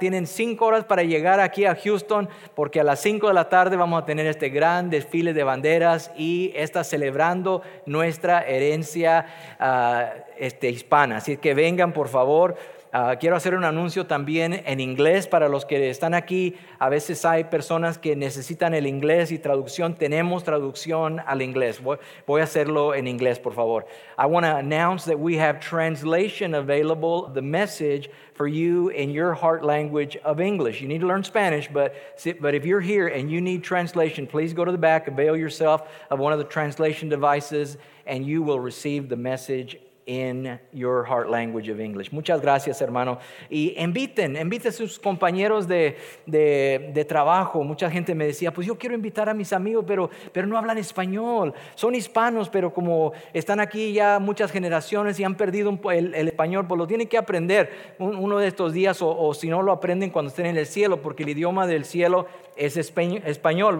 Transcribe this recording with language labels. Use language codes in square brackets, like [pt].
[es] Tienen 5 horas para llegar aquí a Houston, porque a las 5 de la tarde vamos a tener este gran desfile de banderas y está celebrando nuestra herencia hispana. Así que vengan, por favor. Quiero hacer un anuncio también en inglés para los que están aquí. A veces hay personas que necesitan el inglés y traducción. Tenemos traducción al inglés. Voy a hacerlo en inglés, por favor. [en] I want to announce that we have translation available, the message for you in your heart language of English. You need to learn Spanish, but if you're here and you need translation, please go to the back, avail yourself of one of the translation devices, and you will receive the message in your heart language of English. [es] Muchas gracias, hermano. Y inviten a sus compañeros de trabajo. Mucha gente me decía, pues yo quiero invitar a mis amigos, pero no hablan español. Son hispanos, pero como están aquí ya muchas generaciones y han perdido el español, pues lo tienen que aprender uno de estos días, o si no lo aprenden cuando estén en el cielo, porque el idioma del cielo es español.